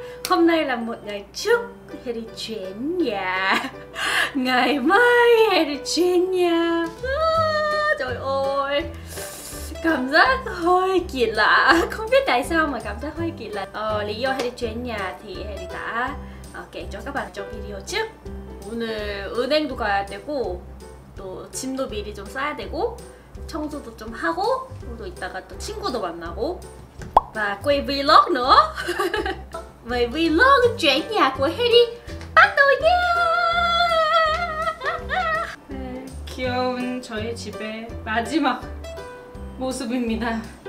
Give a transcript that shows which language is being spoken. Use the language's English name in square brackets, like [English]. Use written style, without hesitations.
[Vietnamese] Hôm nay là một ngày trước Harry chuyển nhà. Ngày mai Harry chuyển nhà. Trời ơi, cảm giác hơi kỳ lạ. Không biết tại sao mà cảm giác hơi kỳ lạ. Lý do Harry chuyển nhà thì Harry đã kể cho các bạn trong video trước. [Korean] 오늘 은행도 가야 되고 또 짐도 미리 좀 싸야 되고 청소도 좀 하고 또 이따가 또 친구도 만나고 [Vietnamese] và quay vlog nữa. Với vlog chuyển nhà của Harry bắt đầu nha. [Korean] 귀여운 저의 집의 마지막 모습입니다.